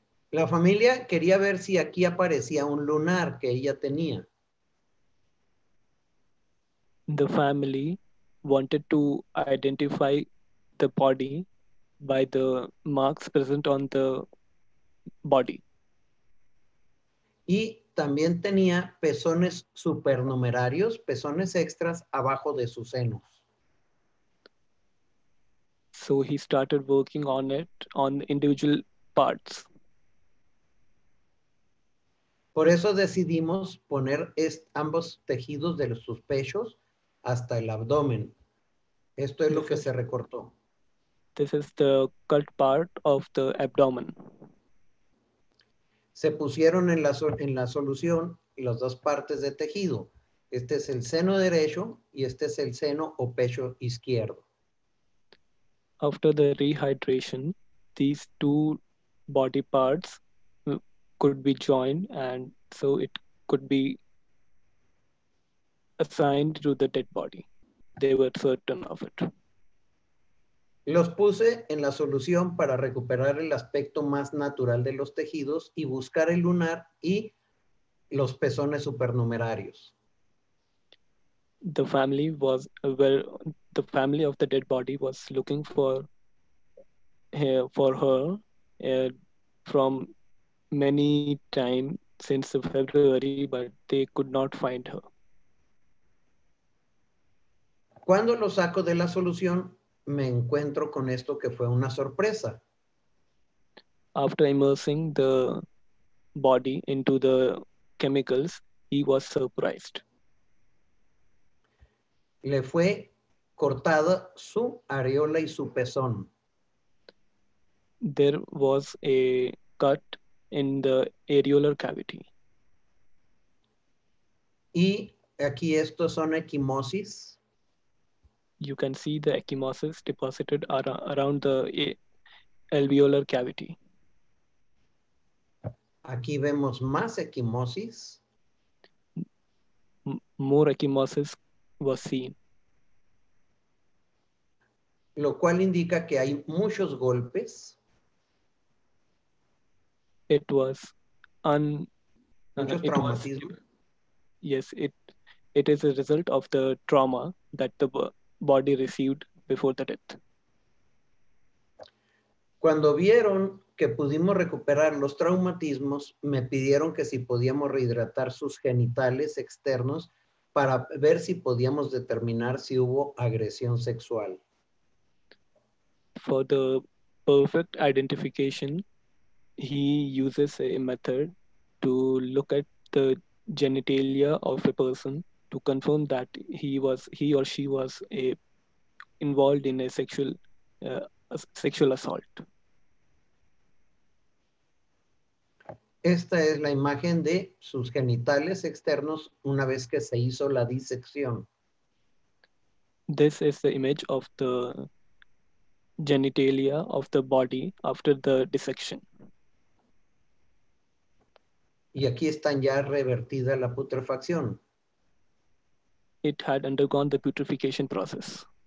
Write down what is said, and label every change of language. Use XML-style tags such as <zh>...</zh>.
<es>La familia quería ver si aquí aparecía un lunar que ella tenía.</es> <en>The family wanted to identify the body by the marks present on the body.</en> <es>Y también tenía pezones supernumerarios, pezones extras abajo de sus senos.</es> <en>So he started working on it on individual parts.</en> <es>Por eso decidimos poner ambos tejidos de sus pechos hasta el abdomen. Esto es lo que se recortó.</es> <en>This is the cut part of the abdomen.</en> <es>Se pusieron en la solución las dos partes de tejido. Este es el seno derecho y este es el seno o pecho izquierdo.</es> <en>After the rehydration, these two body parts could be joined and so it could be assigned to the dead body. They were certain of it.</en> <es>Los puse en la solución para recuperar el aspecto más natural de los tejidos y buscar el lunar y los pezones supernumerarios.</es> <en>The family of the dead body was looking for her from many times since February, but they could not find her.</en> <es>Cuando lo saco de la solución, me encuentro con esto que fue una sorpresa.</es> <en>After immersing the body into the chemicals, he was surprised.</en> <es>Le fue cortada su areola y su pezón.</es> <en>There was a cut in the areolar cavity.</en> <es>Y aquí estos son equimosis.</es> <en>You can see the ecchymosis deposited around the alveolar cavity.</en> <es>Aquí vemos más ecchymosis.</es> <en>More ecchymosis was seen.</en> <es>Lo cual indica que hay muchos golpes.</es> <en>It was</en> <es>muchos traumatismos.</es> <en>Yes, it is a result of the trauma that the body received before the death.</en> <es>Cuando vieron que pudimos recuperar los traumatismos, me pidieron que si podíamos rehidratar sus genitales externos para ver si podíamos determinar si hubo agresión sexual.</es> <en>For the perfect identification, he uses a method to look at the genitalia of a person to confirm that he or she was involved in a sexual assault.</en> <es>Esta es la imagen de sus genitales externos una vez que se hizo la disección.</es> <en>This is the image of the genitalia of the body after the dissection.</en> <es>Y aquí están ya revertida la putrefacción.</es> <en>It had undergone the putrefaction process.</en>